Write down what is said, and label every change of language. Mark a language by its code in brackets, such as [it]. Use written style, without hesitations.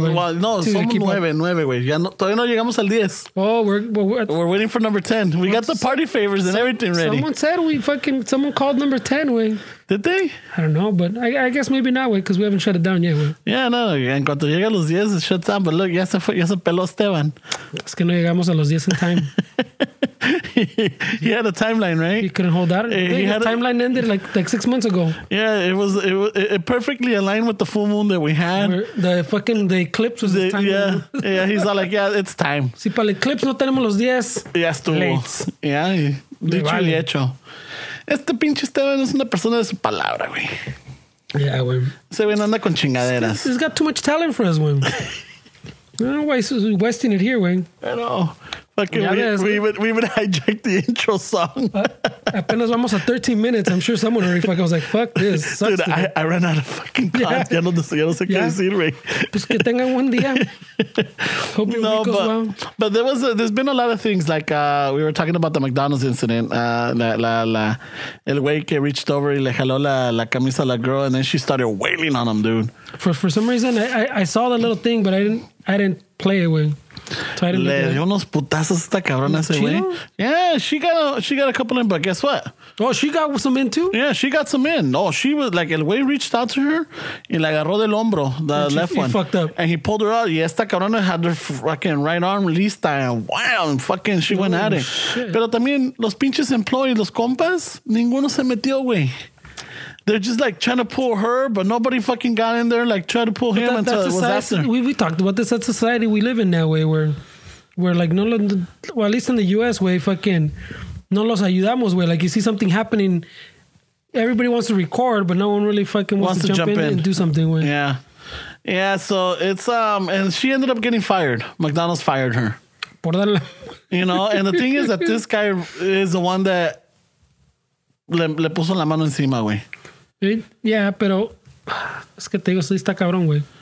[en] well, no, it's [es] somos nueve, güey. Ya no, todavía no llegamos al 10. [en] Oh, we're waiting for number 10. We got the party favors and everything ready. Someone said someone called number 10, güey. Did they? I don't know, but I guess maybe not, güey, because we haven't shut it down yet, güey. [es] Yeah, no, en cuanto llega a los 10, [en] it shuts down. But look, [es] ya se peló Esteban. Es que no llegamos a los 10 [en] in time. He had a timeline, right? He couldn't hold out. Timeline ended like 6 months ago. Yeah, it perfectly aligned with the full moon that we had. The eclipse was the time. Yeah, yeah, he's all like, yeah, it's time. [es] Si para el eclipse no tenemos los 10. Ya estuvo. [en] Late. [es] Yeah, dicho y hecho. Este pinche Esteban es una persona de su palabra, güey. Yeah, güey. Se ven anda con chingaderas. [en] He's got too much talent for us, güey. I don't know why he's wasting it here, güey. I know. We even hijacked the intro song. [es] Apenas vamos a 13 minutes. [en] I'm sure someone already fucking was like, fuck this. Sucks. Dude, I ran out of fucking cards. Yeah. [es] Ya no sé qué decir, [en] güey. [es] Pues que tengan buen día. [en] Hope your week goes well. But there's been a lot of things. Like we were talking about the McDonald's incident. [es] El güey que [en] reached over [es] y le jaló la camisa a la [en] girl, and then she started wailing on him, dude. For some reason, I saw the little thing, but I didn't play it, güey. [es] Le dio unos putazos esta cabrona ese güey. [en] Yeah, she got a couple in, but guess what? Oh, she got some in too? Yeah, she got some in. No, she was like, el güey reached out to her [es] y la agarró del hombro, [en] left one. He fucked up. And he pulled her out. [es] Y esta cabrona [en] had her fucking right arm released and wow, fucking she went at it. Shit. [es] Pero también los pinches employees, los compas, ninguno se metió, güey. [en] They're just like trying to pull her, but nobody fucking got in there like try to pull him until it was after. We talked about this. That's society we live in now, way where like no, well at least in the U.S. way, fucking [es] no los ayudamos, [en] way like you see something happening, everybody wants to record, but no one really fucking wants to jump in and do something. Way. Yeah, so it's and she ended up getting fired. McDonald's fired her. [es] por darle. [en] You know, and the thing is that this guy is the one that [es] le puso la mano encima, [en] güey. [es] Yeah, pero es que te digo, sí está cabrón, güey.